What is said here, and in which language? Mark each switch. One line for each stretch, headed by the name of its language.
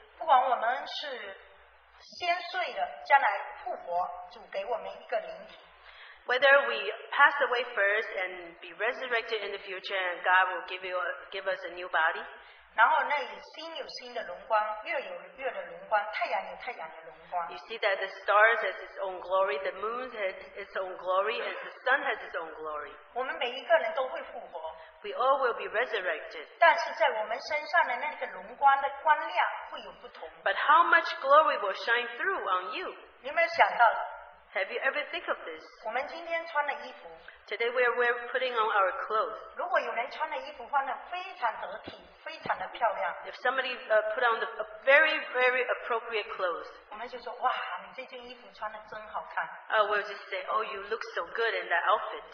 English: whether we pass away first and be resurrected in the future, and God will give us a new body,
Chinese: 然后那里星有星的荣光，月有月的荣光，太阳有太阳的荣光。
English: You see that the stars has its own glory, the moon has its own glory, and the sun has its own glory.
Chinese: 我们每一个人都会复活。
English: We all will be resurrected.
Chinese: 但是在我们身上的那个荣光的光亮会有不同。
English: But how much glory will shine through on you?
Chinese: 你有没有想到？
English: Have you ever think of this?
Chinese: 我们今天穿的衣服,
English: today we're putting on our clothes.
Chinese: 如果有人穿的衣服穿得非常得体, 非常的漂亮,
English: if somebody put on the very, very appropriate clothes,
Chinese: 我们就说, 哇, 你这件衣服穿得真好看,
English: we'll just say, oh, you look so good in that outfit.